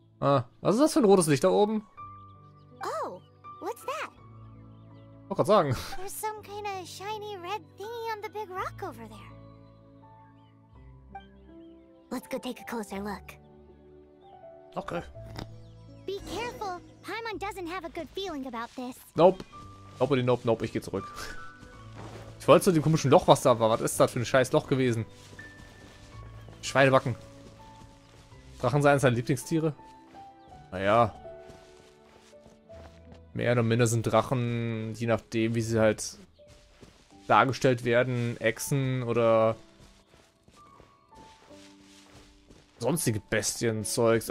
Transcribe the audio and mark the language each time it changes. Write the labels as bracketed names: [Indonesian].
[German] Ah, was ist das für ein rotes Licht da oben? [English] Oh, what's that? [German] Wollte gerade sagen. [English] There's some kind of shiny red thingy on the big rock over there. Let's go take a closer look. Okay. Be careful. Paimon doesn't have a good feeling about this. Nope. Nope, nope, nope. [German] Ich geh zurück. Ich wollte zu dem komischen Loch, was da war. Was ist das für ein scheiß Loch gewesen? Schweinebacken. Drachen sind seine Lieblingstiere? Naja. Mehr oder minder sind Drachen, je nachdem, wie sie halt dargestellt werden, Echsen oder sonstige Bestienzeugs.